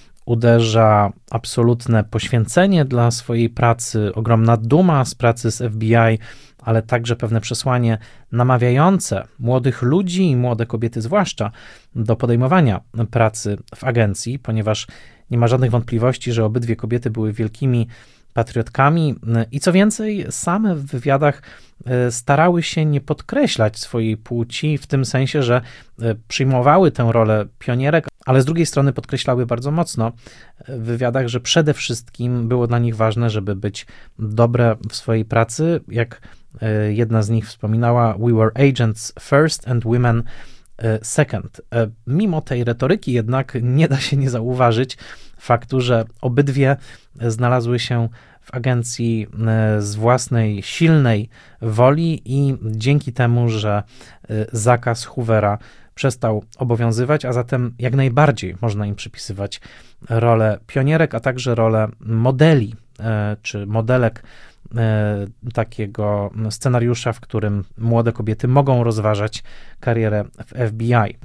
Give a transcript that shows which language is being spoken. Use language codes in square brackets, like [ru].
[pl] uderza absolutne poświęcenie dla swojej pracy, ogromna duma z pracy z FBI, ale także pewne przesłanie namawiające młodych ludzi i młode kobiety zwłaszcza do podejmowania pracy w agencji, ponieważ nie ma żadnych wątpliwości, że obydwie kobiety były wielkimi patriotkami i co więcej, same w wywiadach starały się nie podkreślać swojej płci w tym sensie, że przyjmowały tę rolę pionierek, ale z drugiej strony podkreślały bardzo mocno w wywiadach, że przede wszystkim było dla nich ważne, żeby być dobre w swojej pracy. Jak jedna z nich wspominała, [en] we were agents first and women second. [pl] Mimo tej retoryki jednak nie da się nie zauważyć faktu, że obydwie znalazły się w agencji z własnej silnej woli i dzięki temu, że zakaz Hoovera przestał obowiązywać, a zatem jak najbardziej można im przypisywać rolę pionierek, a także rolę modeli czy modelek takiego scenariusza, w którym młode kobiety mogą rozważać karierę w FBI.